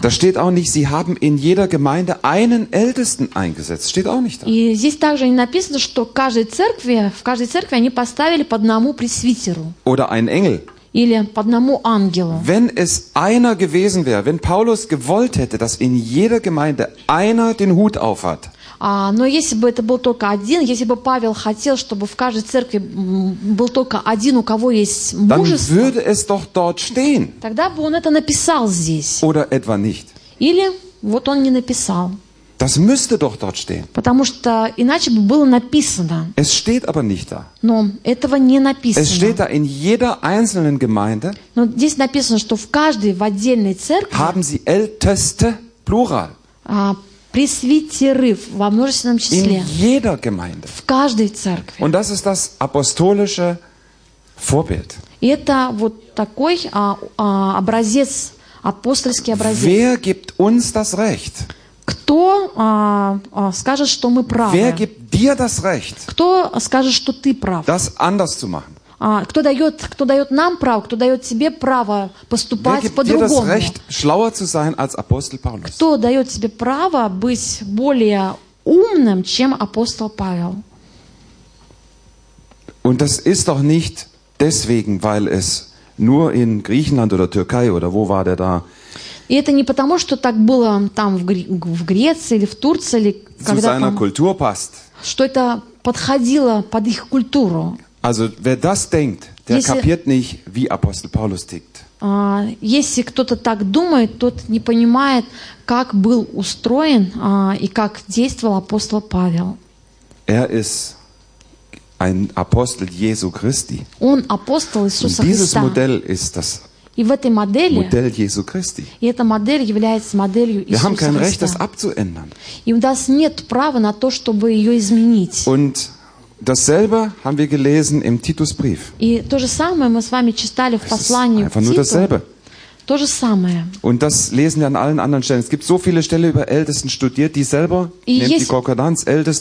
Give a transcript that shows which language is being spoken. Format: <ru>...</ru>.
<de>Da steht auch nicht, sie haben in jeder Gemeinde einen Ältesten eingesetzt. Steht auch nicht da.</de> <ru>И здесь также не написано, что в каждой церкви они поставили по одному пресвитеру.</ru> <de>Oder einen Engel.</de> <ru>Или по одному ангелу.</ru> <de>Wenn es einer gewesen wäre, wenn Paulus gewollt hätte, dass in jeder Gemeinde einer den Hut aufhat.</de> <ru>Но если бы это был только один, если бы Павел хотел, чтобы в каждой церкви был только один, у кого есть мужество,</ru> <de>dann würde es doch dort stehen.</de> <ru>Тогда бы он это написал здесь.</ru> <de>Oder etwa nicht.</de> <ru>Или вот он не написал.</ru> <de>Das müsste doch dort stehen.</de> <ru>Потому что иначе бы было написано.</ru> <de>Es steht aber nicht da.</de> <ru>Но этого не написано.</ru> <de>Es steht da in jeder einzelnen Gemeinde.</de> <ru>Но здесь написано, что в каждой в отдельной церкви.</ru> <de>Haben sie Älteste Plural.</de> <ru>Пресвитеры во множественном числе.</ru> <de>In jeder Gemeinde.</de> <ru>В каждой церкви.</ru> <de>Und das ist das apostolische Vorbild.</de> <ru>И это вот такой образец, апостольский образец.</ru> <de>Wer gibt uns das Recht?</de> <ru>Кто скажет, что мы правы?</ru> <de>Wer gibt dir das Recht,</de> <ru>кто скажет, что ты прав?</ru> <de>Das anders zu machen.</de> <ru>Кто дает нам право, кто дает тебе право поступать по-другому?</ru> <de>Wer gibt dir das Recht, schlauer zu sein als Apostel Paulus?</de> <ru>Кто дает тебе право быть более умным, чем апостол Павел?</ru> <de>Und das ist doch nicht deswegen, weil es nur in Griechenland oder Türkei oder wo war der da?</de> <ru>И это не потому, что так было там в Греции или в Турции, или когда там, что это подходило под их культуру.</ru> <de>Also, wer das denkt, der kapiert nicht, wie Apostel Paulus tickt.</de> <ru>Если кто-то так думает, тот не понимает, как был устроен и как действовал апостол Павел.</ru> <de>Er ist ein Apostel Jesu Christi.</de> <ru>Он апостол Иисуса Христа.</ru> <de>Dieses Modell ist das.</de> <ru>И в этой модели,</ru> <de>Modell Jesu Christi.</de> <ru>И эта модель является моделью Иисуса Христа.</ru> <de>Wir haben kein Christa. Recht, das abzuändern.</de> <ru>И у нас нет права на то, чтобы ее изменить.</ru> <de>Und dasselbe haben wir gelesen im Titusbrief.</de> <ru>И то же самое мы с вами читали в послании Титу.</ru> <de>Einfach nur dasselbe.</de> <ru>То же самое.</ru> <de>Und das lesen wir an allen anderen Stellen. Es gibt so viele Stellen über Ältesten studiert, die selber nennt die Konkordanz Älteste.</de>